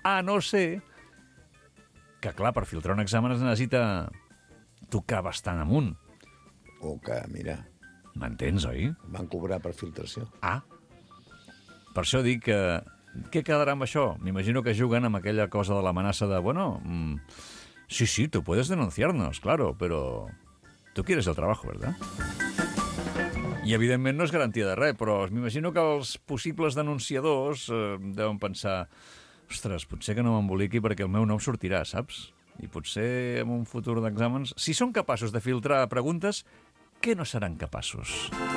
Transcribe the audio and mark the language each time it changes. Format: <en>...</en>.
<ca>A no ser que, clar, per filtrar un examen es necessita tocar bastant amunt. O que, mira... M'entens, oi? Van cobrar per filtració. Ah. Per això dic que... què quedarà amb això? M'imagino que juguen amb aquella cosa de l'amenaça de...</ca> <es>bueno, sí, sí, tú puedes denunciarnos, claro, pero... tú quieres el trabajo, ¿verdad?</es> <ca>I, evidentment, no és garantia de res, però m'imagino que els possibles denunciadors deuen pensar... ostres, potser que no m'emboliqui perquè el meu nom sortirà, saps? I potser en un futur d'exàmens... si són capaços de filtrar preguntes... què no seran capaços?</ca>